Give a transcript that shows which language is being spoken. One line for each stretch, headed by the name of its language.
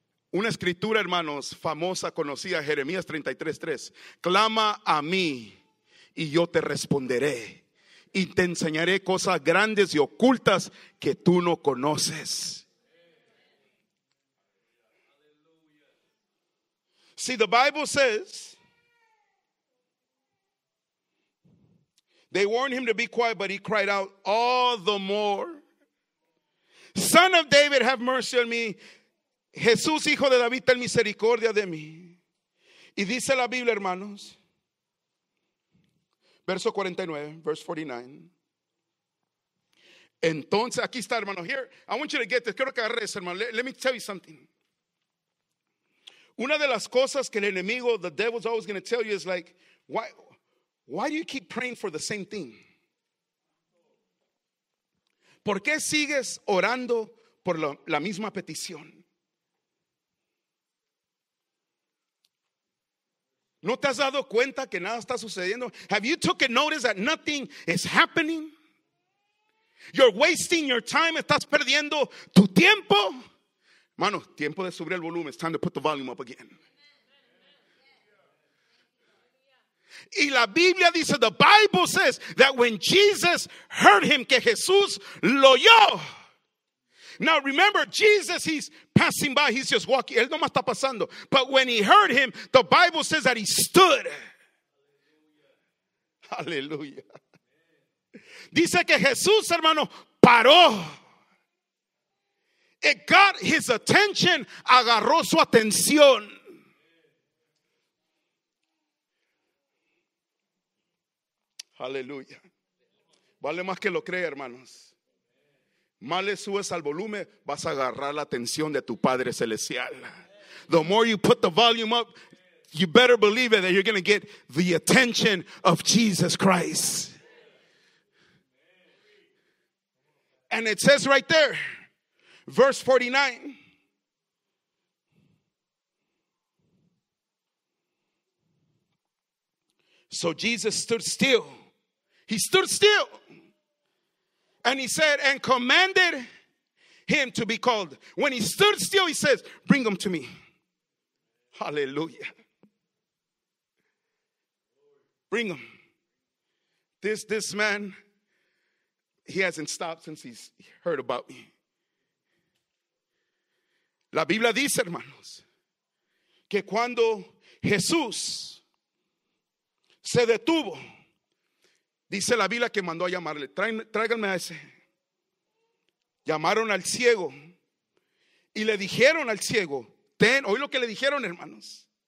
Spanish: Una escritura, hermanos, famosa, conocida, Jeremías 33:3. Clama a mí y yo te responderé. Y te enseñaré cosas grandes y ocultas que tú no conoces.
English: See, the Bible says, they warned him to be quiet, but he cried out all the more. Son of David, have mercy on me.
Spanish: Jesús, hijo de David, ten misericordia de mí. Y dice la Biblia, hermanos. Verso 49,
English: verse 49.
Spanish: Entonces, aquí está, hermano.
English: Here, I want you to get this.
Spanish: Quiero que agarres, hermano.
English: Let me tell you something.
Spanish: Una de las cosas que el enemigo,
English: the devil's always going to tell you is like, why do you keep praying for the same thing?
Spanish: ¿Por qué sigues orando por la misma petición? ¿No te has dado cuenta que nada está sucediendo?
English: Have you taken notice that nothing is happening? You're wasting your time.
Spanish: Estás perdiendo tu tiempo. Mano, tiempo de subir el volumen.
English: It's time to put the volume up again.
Spanish: Y la Biblia dice,
English: the Bible says that when Jesus heard him,
Spanish: que Jesús lo oyó.
English: Now remember, Jesus, he's passing by, he's just walking.
Spanish: Él no más está pasando.
English: But when he heard him, the Bible says that he stood.
Spanish: Hallelujah. Dice que Jesús, hermano, paró.
English: It got his attention.
Spanish: Agarró su atención. Aleluya. Vale más que lo cree, hermanos. Más le subes al volumen, vas a agarrar la atención de tu Padre Celestial.
English: The more you put the volume up, you better believe it that you're going to get the attention of Jesus Christ. And it says right there, verse 49. So Jesus stood still. He stood still. And he said, and commanded him to be called. When he stood still, he says, bring him to me. Hallelujah. Bring him. This man, he hasn't stopped since he's heard about me.
Spanish: La Biblia dice, hermanos, que cuando Jesús se detuvo, dice la Biblia que mandó a llamarle. Tráiganme a ese. Llamaron al ciego y le dijeron al ciego, ten, oí lo que le dijeron, hermanos.